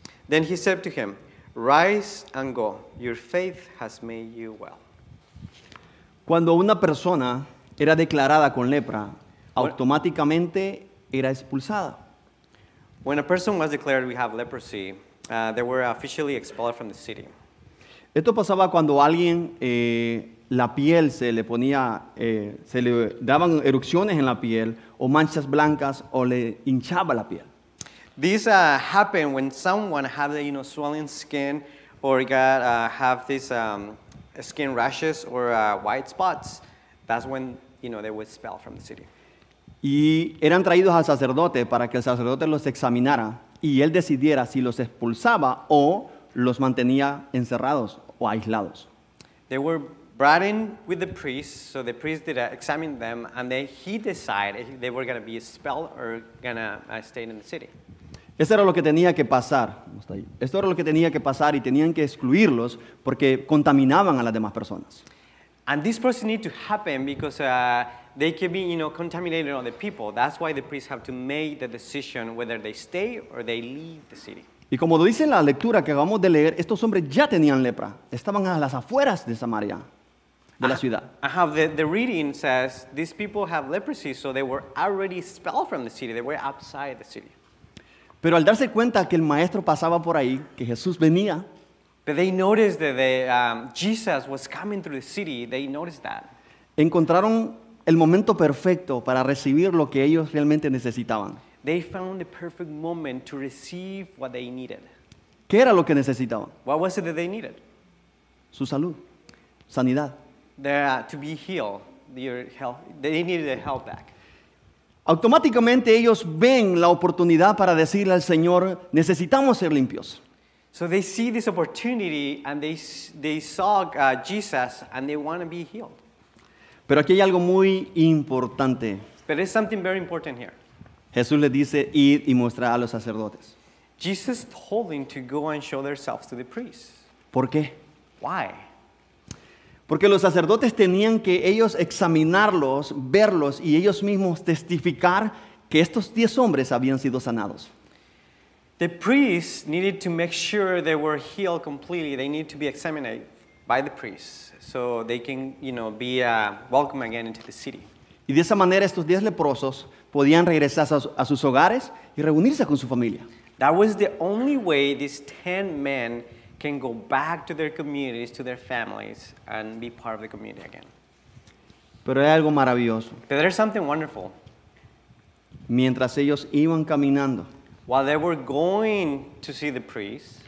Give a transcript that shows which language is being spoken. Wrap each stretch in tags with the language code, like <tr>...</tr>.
<en>Then he said to him, Rise and go. Your faith has made you well.</en> <es>Cuando una persona era declarada con lepra, automáticamente era expulsada.</es> <en>When a person was declared we have leprosy, they were officially expelled from the city.</en> <es>Esto pasaba cuando alguien la piel se le ponía, se le daban erupciones en la piel o manchas blancas o le hinchaba la piel.</es> <en>This happened when someone had the, you know, swelling skin or got have these skin rashes or white spots. That's when, you know, they would expel from the city.</en> <es>Y eran traídos al sacerdote para que el sacerdote los examinara y él decidiera si los expulsaba o los mantenía encerrados o aislados.</es> <en>They were brought in with the priest, so the priest did examine them, and then he decided if they were going to be expelled or going to stay in the city.</en> <es>Eso era lo que tenía que pasar. Esto era lo que tenía que pasar, y tenían que excluirlos porque contaminaban a las demás personas.</es> <en>And this process needed to happen because they could be, you know, contaminated on the people. That's why the priest have to make the decision whether they stay or they leave the city.</en> <es>Y como lo dice en la lectura que acabamos de leer, estos hombres ya tenían lepra. Estaban a las afueras de Samaria, de la ciudad.</es> <en>The reading says these people have leprosy, so they were already expelled from the city. They were outside the city.</en> <es>Pero al darse cuenta que el maestro pasaba por ahí, que Jesús venía,</es> <en>but they noticed that Jesus was coming through the city. They noticed that.</en> <es>Encontraron el momento perfecto para recibir lo que ellos realmente necesitaban.</es> <en>They found the perfect moment to receive what they needed.</en> <es>¿Qué era lo que necesitaban?</es> <en>What was it that they needed?</en> <es>Su salud. Sanidad.</es> <en>To be healed. Your health. They needed a health back.</en> <es>Automáticamente ellos ven la oportunidad para decirle al Señor, necesitamos ser limpios.</es> <en>So they see this opportunity and they saw Jesus and they want to be healed.</en> <es>Pero aquí hay algo muy importante.</es> <en>But there's something very important here.</en> <es>Jesús le dice, id y mostrar a los sacerdotes.</es> <en>Jesus told them to go and show themselves to the priests.</en> <es>¿Por qué?</es> <en>Why?</en> <es>Porque los sacerdotes tenían que ellos examinarlos, verlos y ellos mismos testificar que estos 10 hombres habían sido sanados.</es> <en>The priests needed to make sure they were healed completely. They needed to be examined by the priests, so they can, you know, be welcome again into the city.</en> <es>Y de esa manera estos 10 leprosos podían regresar a sus hogares y reunirse con su familia.</es> <en>That was the only way these 10 men can go back to their communities, to their families, and be part of the community again.</en> <es>Pero hay algo maravilloso.</es> <en>But there's something wonderful.</en> <es>Mientras ellos iban caminando,</es> <en>while they were going to see the priest,</en>